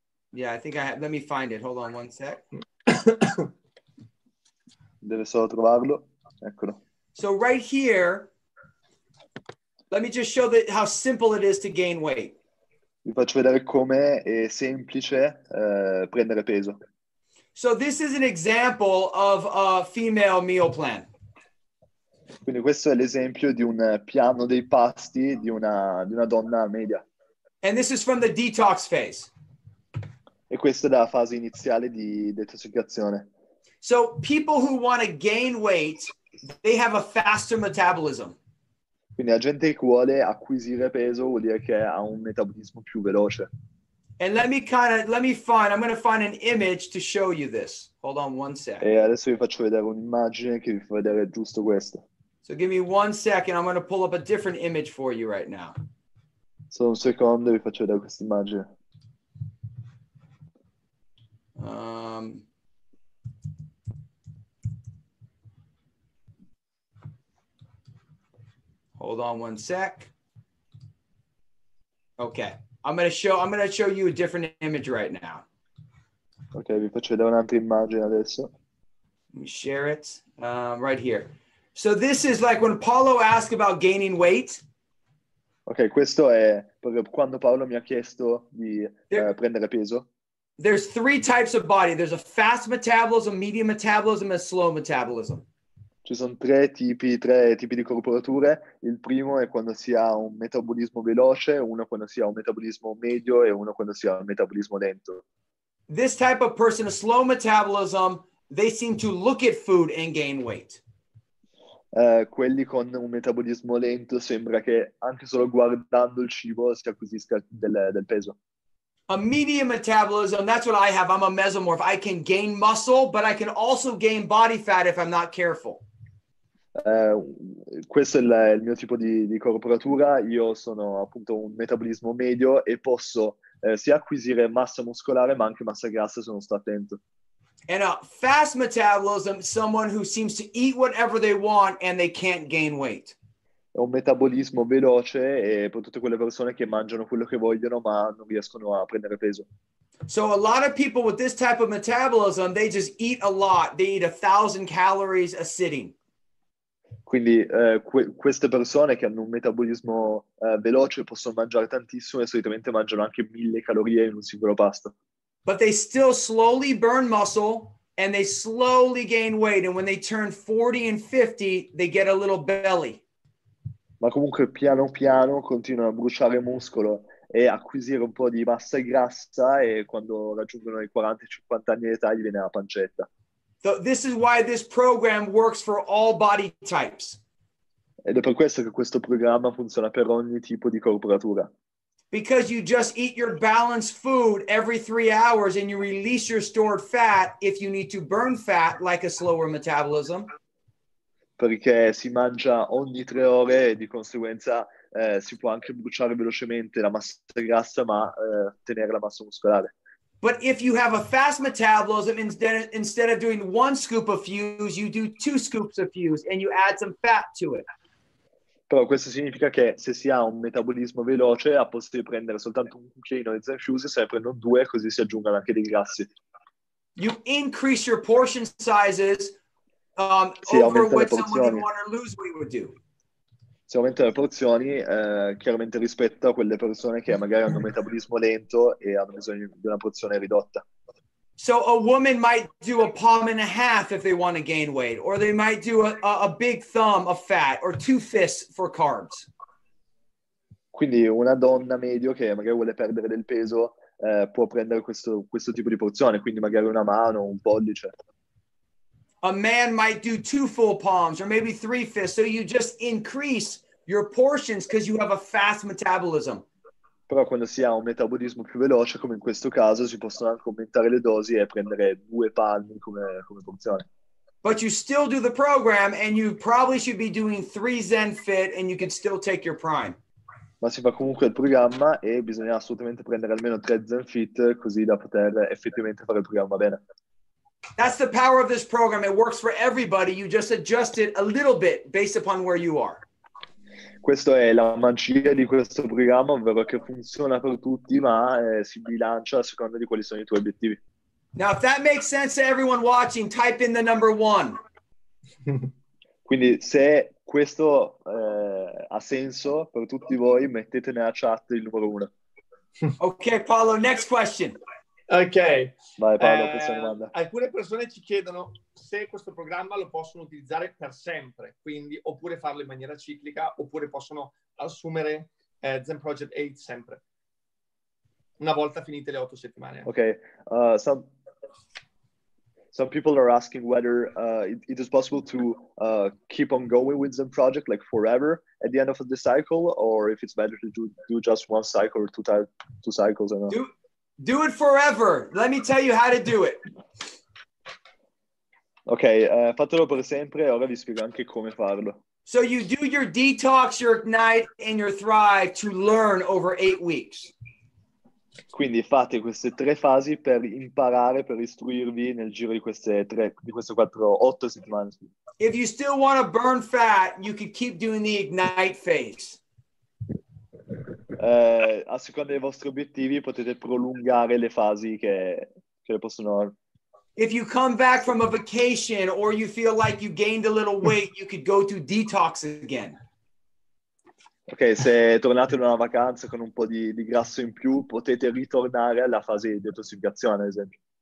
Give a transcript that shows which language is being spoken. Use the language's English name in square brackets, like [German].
[English] Yeah, I think I have, let me find it. Hold on one sec. [Italian] Deve solo trovarlo. Eccolo. [English] So right here, let me just show that how simple it is to gain weight. [Italian] Vi faccio vedere come è semplice prendere peso. [English] So this is an example of a female meal plan. [Italian] Quindi questo è l'esempio di un piano dei pasti di una donna media. [English] And this is from the detox phase. [Italian] E questa è la fase iniziale di detossificazione. [English] So people who want to gain weight, they have a faster metabolism. [Italian] Quindi la gente che vuole acquisire peso vuol dire che ha un metabolismo più veloce. [English] And I'm going to find an image to show you this. Hold on one sec. [Italian] E adesso vi faccio vedere un'immagine che vi fa vedere giusto questo. [English] So give me one second, I'm going to pull up a different image for you right now. [Italian] So un secondo, vi faccio vedere questa immagine. [English] Hold on one sec. Okay. I'm gonna show you a different image right now. [Italian] Okay, vi faccio vedere un'altra immagine adesso. [English] Let me share it. Right here. So this is like when Paolo asked about gaining weight. [Italian] Okay, questo è quando Paolo mi ha chiesto di prendere peso. [English] There's 3 types of body. There's a fast metabolism, medium metabolism, and slow metabolism. [Italian] Ci sono tre tipi di corporature. Il primo è quando si ha un metabolismo veloce, uno quando si ha un metabolismo medio e uno quando si ha un metabolismo lento. [English] This type of person, a slow metabolism, they seem to look at food and gain weight. Quelli con un metabolismo lento sembra che anche solo guardando il cibo si acquisisca del peso. A medium metabolism, that's what I have. I'm a mesomorph. I can gain muscle, but I can also gain body fat if I'm not careful. [Italian] Questo è il mio tipo di corporatura. Io sono appunto un metabolismo medio e posso sia acquisire massa muscolare ma anche massa grassa se non sto attento. [English] And a fast metabolism, someone who seems to eat whatever they want and they can't gain weight. [Italian] È un metabolismo veloce e per tutte quelle persone che mangiano quello che vogliono ma non riescono a prendere peso. [English] So a lot of people with this type of metabolism, they just eat a lot. They eat 1,000 calories a sitting. [Italian] Quindi queste persone che hanno un metabolismo veloce possono mangiare tantissimo e solitamente mangiano anche 1,000 calorie in un singolo pasto. [English] But they still slowly burn muscle and they slowly gain weight. And when they turn 40 and 50, they get a little belly. [Italian] Ma comunque piano piano continuano a bruciare muscolo e acquisire un po' di massa grassa e quando raggiungono i 40-50 anni di età gli viene la pancetta. [English] So this is why this program works for all body types. [Italian] Ed è per questo che questo programma funziona per ogni tipo di corporatura. [English] Because you just eat your balanced food every 3 hours and you release your stored fat if you need to burn fat like a slower metabolism. [Italian] Perché si mangia ogni 3 ore e di conseguenza si può anche bruciare velocemente la massa grassa ma tenere la massa muscolare. [English] But if you have a fast metabolism, instead of doing one scoop of fuse, you do 2 scoops of fuse and you add some fat to it. [Italian] Però questo significa che se si ha un metabolismo veloce, a posto di prendere soltanto un cucchiaino di zenzero fuse, se ne prendono 2, così si aggiungono anche dei grassi. [English] You increase your portion sizes over what someone who wants to lose weight would do. [Italian] Si aumenta le porzioni, chiaramente rispetto a quelle persone che magari hanno un metabolismo lento e hanno bisogno di una porzione ridotta. [English] So a woman might do a palm and a half if they want to gain weight, or they might do a big thumb of fat, or 2 fists for carbs. [Italian] Quindi una donna medio che magari vuole perdere del peso può prendere questo tipo di porzione, quindi magari una mano, un pollice. [English] A man might do 2 full palms, or maybe 3 fists, so you just increase your portions because you have a fast metabolism. [Italian] Però quando si ha un metabolismo più veloce, come in questo caso, si possono anche aumentare le dosi e prendere 2 palmi come porzione. [English] But you still do the program and you probably should be doing 3 Zen Fit and you can still take your prime. [Italian] Ma si fa comunque il programma e bisogna assolutamente prendere almeno 3 Zen Fit così da poter effettivamente fare il programma bene. [English] That's the power of this program. It works for everybody. You just adjust it a little bit based upon where you are. [Italian] Questo è la magia di questo programma, ovvero che funziona per tutti, ma si bilancia a seconda di quali sono i tuoi obiettivi. [English] Now, if that makes sense to everyone watching, type in the number 1. [Italian] Quindi, se questo ha senso per tutti voi, mettete nella chat il numero 1. [English] Ok, Paolo, next question. Ok. [Italian] Vai, Paolo, questa domanda. Alcune persone ci chiedono se questo programma lo possono utilizzare per sempre, quindi oppure farlo in maniera ciclica, oppure possono assumere Zen Project 8 sempre, una volta finite le 8 settimane. [English] Ok, some people are asking whether it is possible to keep on going with Zen Project, like forever, at the end of the cycle, or if it's better to do just one cycle or two cycles. Or not. Do it forever. Let me tell you how to do it. [Italian] Ok, fatelo per sempre e ora vi spiego anche come farlo. [English] So you do your detox, your ignite, and your thrive to learn over 8 weeks. [Italian] Quindi fate queste 3 fasi per imparare, per istruirvi nel giro di queste 8 settimane. [English] If you still want to burn fat, you could keep doing the ignite phase. [Italian] A seconda dei vostri obiettivi potete prolungare le fasi che le possono... [English] If you come back from a vacation or you feel like you gained a little weight, you could go to detox again. [Italian] Ok, se tornate in una vacanza con un po' di grasso in più, potete ritornare alla fase di detossificazione, ad esempio.